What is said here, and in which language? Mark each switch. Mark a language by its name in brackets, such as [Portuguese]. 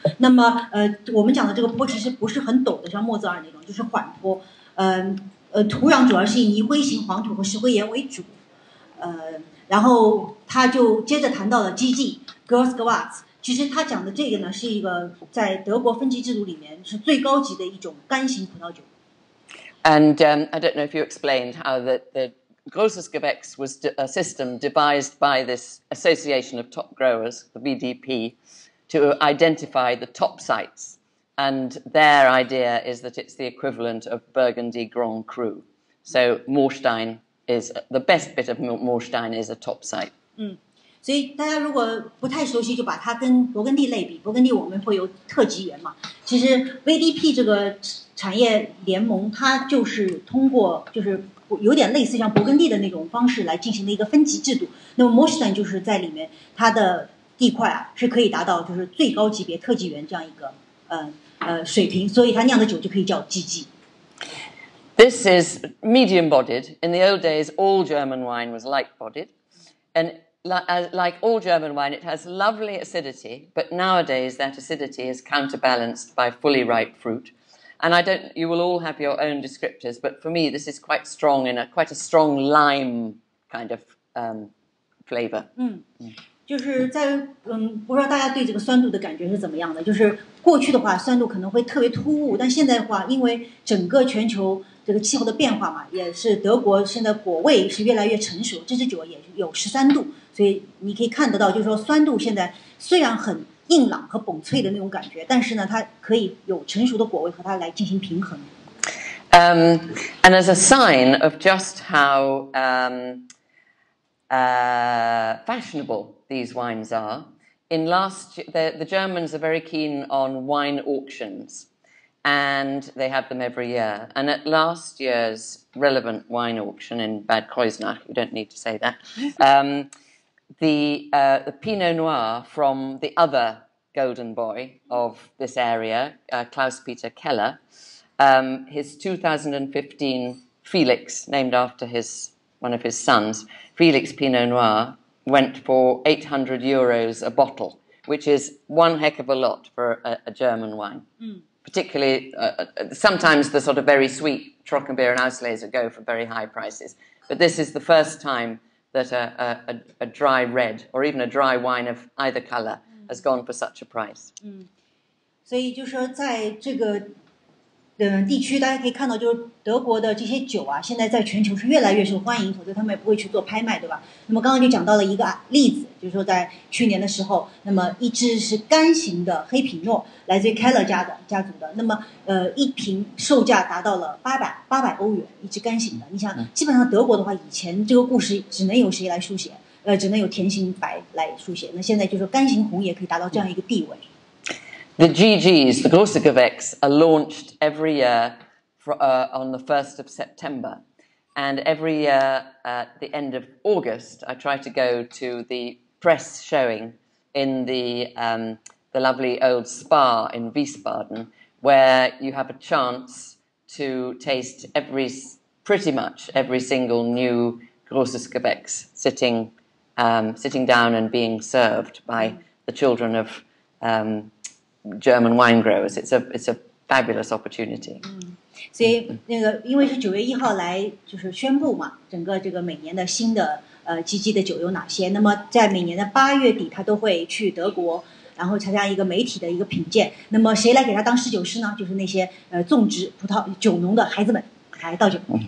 [Chinese] 那么我们讲的这个坡其实不是很陡的，像莫泽尔那种，就是缓坡。土壤主要是以泥灰型黄土和石灰岩为主，然后他就接着谈到了 GG Girls Gewatz， 其实他讲的这个呢是一个在德国分级制度里面是最高级的一种干型葡萄酒。 [English] And I don't know if you explained how the Großes Gewächs was a system devised by this association of top growers, the VDP, to identify the top sites. And their idea is that it's the equivalent of Burgundy Grand Cru. So Moorstein is the best bit of Moorstein is a top site. [Chinese] 所以大家如果不太熟悉，就把它跟勃艮第类比。勃艮第我们会有特级园嘛？其实 VDP 这个产业联盟，它就是通过就是有点类似像勃艮第的那种方式来进行的一个分级制度。那么 Mosten 就是在里面它的地块啊是可以达到就是最高级别特级园这样一个水平，所以它酿的酒就可以叫 GG。 [English] This is medium-bodied. In the old days, all German wine was light-bodied. And like all German wine, it has lovely acidity, but nowadays that acidity is counterbalanced by fully ripe fruit. And I don't, you will all have your own descriptors, but for me, this is quite strong in a, quite a strong lime kind of flavor. [Chinese] 嗯，就是在不知道大家对这个酸度的感觉是怎么样的，就是过去的话酸度可能会特别突兀，但现在的话因为整个全球这个气候的变化嘛，也是德国现在果味是越来越成熟，这支酒也有13度，所以你可以看得到，就是说酸度现在虽然很硬朗和崩脆的那种感觉，但是呢它可以有成熟的果味和它来进行平衡。 [English] And as a sign of just how fashionable these wines are, in last the Germans are very keen on wine auctions. And they have them every year. And at last year's relevant wine auction in Bad Kreuznach, you don't need to say that, the Pinot Noir from the other golden boy of this area, Klaus-Peter Keller, his 2015 Felix, named after his, one of his sons, Felix Pinot Noir, went for €800 a bottle, which is one heck of a lot for a German wine. Particularly, sometimes the sort of very sweet Trockenbeer and Auslese go for very high prices. But this is the first time that a dry red or even a dry wine of either color has gone for such a price. [Chinese] 所以就是说在这个地区大家可以看到就是德国的这些酒啊现在在全球是越来越受欢迎，否则他们也不会去做拍卖，对吧？那么刚刚就讲到了一个例子，就是说在去年的时候，那么一支是干型的黑皮诺，来自于 Keller 家族的，那么一瓶售价达到了800欧元，一支干型的。你想，基本上德国的话，以前这个故事只能由谁来书写？只能由甜型白来书写。那现在就是干型红也可以达到这样一个地位。 [English] The GGs, the Glossogavex, are launched every year on the 1st of September. And every year at the end of August, I try to go to the press showing in the lovely old spa in Wiesbaden, where you have a chance to taste pretty much every single new Glossogavex sitting down and being served by the children of... German wine growers. It's a fabulous opportunity. [Chinese] 所以那个因为是九月一号来就是宣布嘛，整个这个每年的新的GG的酒有哪些？那么在每年的八月底，他都会去德国，然后参加一个媒体的一个品鉴。那么谁来给他当侍酒师呢？就是那些种植葡萄酒农的孩子们来倒酒。